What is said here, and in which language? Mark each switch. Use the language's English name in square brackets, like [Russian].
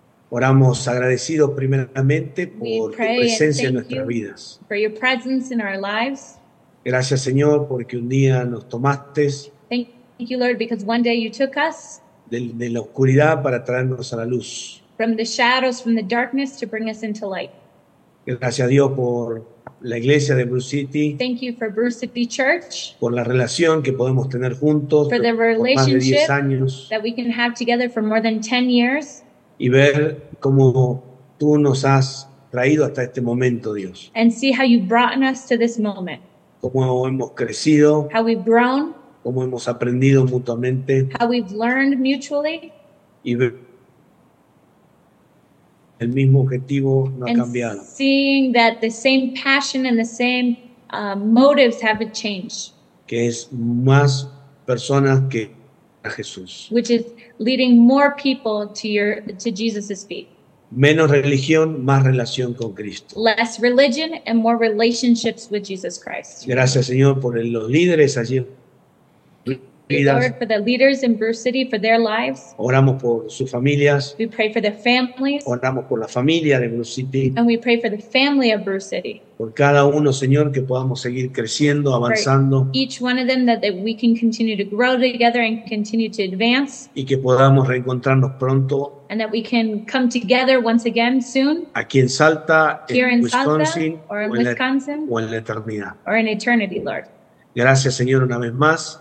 [Spanish] Oramos agradecidos primeramente por tu presencia en nuestras vidas. [English] For your presence in our lives. [Spanish] Gracias, Señor, porque un día nos tomaste. [English] Thank you, Lord, because one day you took us [Spanish] de la oscuridad para traernos a la luz. [English] From the shadows, from the darkness, to bring us into light. [Spanish] Gracias a Dios por la iglesia de Bruce City. [English] Thank you for Bruce City Church. [Spanish] Por la relación que podemos tener juntos [English] for the relationship that we can have together for more than 10 years. [Spanish] Y ver cómo tú nos has traído hasta este momento, Dios. [English] And see how you've brought us to this moment. [Spanish] cómo hemos crecido, [English] how we've grown, [Spanish] cómo hemos aprendido mutuamente, [English] how we've learned mutually, [Spanish] y el mismo objetivo no ha cambiado. [English] Seeing that the same passion and the same motives haven't changed. [Spanish] Que es más personas que a Jesús. [English] Which is leading more people to Jesus's feet. [Spanish] Menos religión, más relación con Cristo. [English] Less religion and more relationships with Jesus Christ. [Spanish] Gracias, Señor, por los líderes allí. [English] Lord, for the leaders in Bruce City, for their lives. [Spanish] Oramos por sus familias. [English] We pray for their families. [Spanish] Oramos por la familia de Bruce City. [English] And we pray for the family of Bruce City. [Spanish] Por cada uno, Señor, que podamos seguir creciendo, avanzando. [English] For each one of them, that we can continue to grow together and continue to advance. [Spanish] Y que podamos reencontrarnos pronto. [English] And that we can come together once again soon. [Spanish] Aquí en Salta, [English] here [Spanish] en Wisconsin, [English] or in Wisconsin, [Spanish] o en la eternidad. [English] Or in eternity, Lord. [Spanish] Gracias, Señor, una vez más.